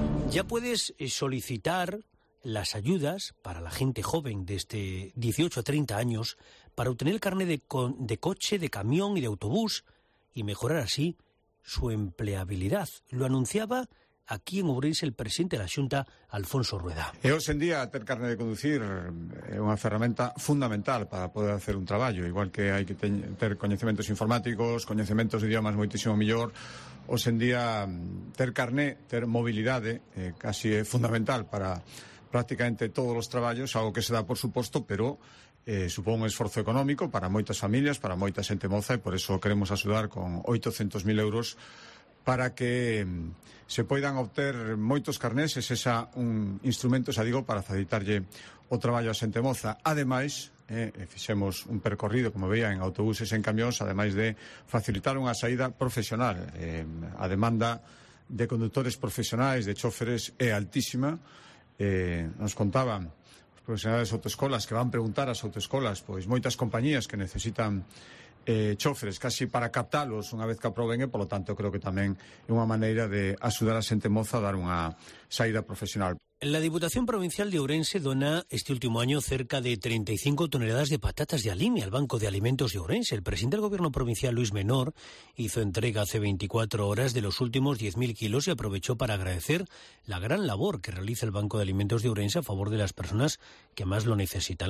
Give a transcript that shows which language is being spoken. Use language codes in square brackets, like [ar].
[es] Ya puedes solicitar las ayudas para la gente joven de este 18 a 30 años para obtener el carnet de coche, de camión y de autobús y mejorar así su empleabilidad. Lo anunciaba aquí en Ourense el presidente de la Xunta, Alfonso Rueda. [gl] E hoxe en día, ter carne de conducir é unha ferramenta fundamental para poder hacer un traballo. Igual que hai que ter coñecementos informáticos, coñecementos de idiomas moitísimo mellor, hoxe en día, ter carne, ter movilidade, casi é fundamental para prácticamente todos os traballos, algo que se dá por suposto, pero supón un esforzo económico para moitas familias, para moita xente moza, e por eso queremos axudar con 800.000 euros para que se poidan obter moitos carnés. Es esa un instrumento, xa digo, para facilitarlle o traballo a xente moza. Ademais, fixemos un percorrido, como veía, en autobuses, en camións, ademais de facilitar unha saída profesional. A demanda de conductores profesionais, de choferes, é altísima. Nos contaban os profesionales de autoescolas que van preguntar ás autoescolas, pois moitas compañías que necesitan choferes, casi para captalos unha vez que aproben, e polo tanto creo que tamén é unha maneira de axudar a xente moza a dar unha saída profesional. [es] La Diputación Provincial de Ourense dona este último año cerca de 35 toneladas de patatas de Alimia al Banco de Alimentos de Ourense. El presidente del Gobierno Provincial, Luis Menor, hizo entrega hace 24 horas de los últimos 10.000 kilos y aprovechó para agradecer la gran labor que realiza el Banco de Alimentos de Ourense a favor de las personas que más lo necesitan.